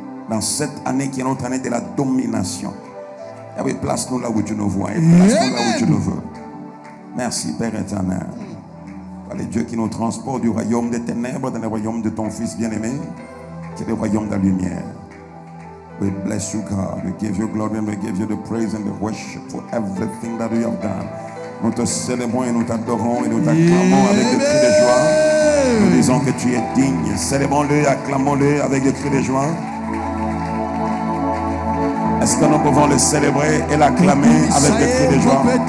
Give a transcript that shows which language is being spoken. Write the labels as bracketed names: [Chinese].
[French] Dans cette année qui est notre année de la domination. Yahweh, place-nous là où tu nous vois et place-nous là où tu nous veux. Merci, Père éternel. Par les dieux qui nous transportent du royaume des ténèbres dans le royaume de ton Fils bien-aimé, qui est le royaume de la lumière. [English] We bless you, God. We give you glory and we give you the praise and the worship for everything that you have done. [French] Nous te célébrons et nous t'adorons et nous t'acclamons avec le cri de joie. Nous disons que tu es digne. Célébrons-le et acclamons-le avec le cri de joie. Est-ce que nous pouvons le célébrer et l'acclamer avec des cris de joie?